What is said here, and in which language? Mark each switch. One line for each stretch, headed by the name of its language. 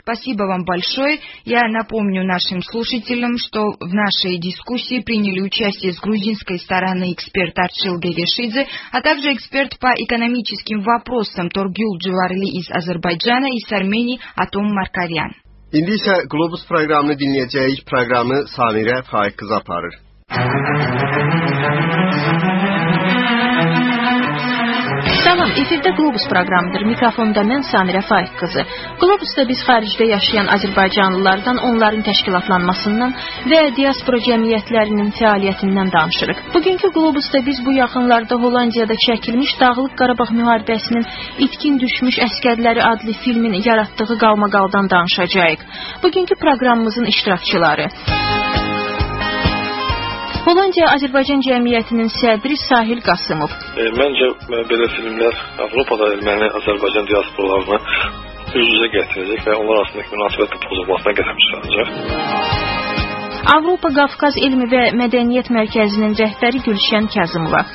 Russian: Спасибо вам большое. Я напомню нашим слушателям, что в нашей дискуссии приняли участие с грузинской стороны эксперт Арчил Гелешидзе, а также эксперт по экономическим вопросам Торгюл Джуварли из Азербайджана и с Армении Атом Маркарян.
Azerbaijani: İndi isə Globus proqramını dinləyəcəyik. Proqramı Samirə Faik qız aparır. Salam, efirdə Globus proqramıdır. Mikrofonda mən Samirə Faik qızı. Globusda biz xaricdə yaşayan azərbaycanlılardan, onların təşkilatlanmasından və diaspora cəmiyyətlərinin fəaliyyətindən danışırıq. Bugünkü Globusda biz bu yaxınlarda Hollandiyada çəkilmiş Dağlıq Qarabağ müharibəsinin itkin düşmüş əsgərləri adlı filmin yaratdığı qalmaqaldan danışacağıq. Bugünkü proqramımızın iştirakçıları. Hollandiya-Azərbaycan cəmiyyətinin sədri Sahil Qasımov. Məncə, belə filmlər Avropada erməni-Azərbaycan diasporalarını üz-üzə gətirəcək və onlar arasındakı münasibətin pozulmasına gətirib çıxaracaq. Avropa Qafqaz Elmi və Mədəniyyət Mərkəzinin rəhbəri Gülşən Kazımova.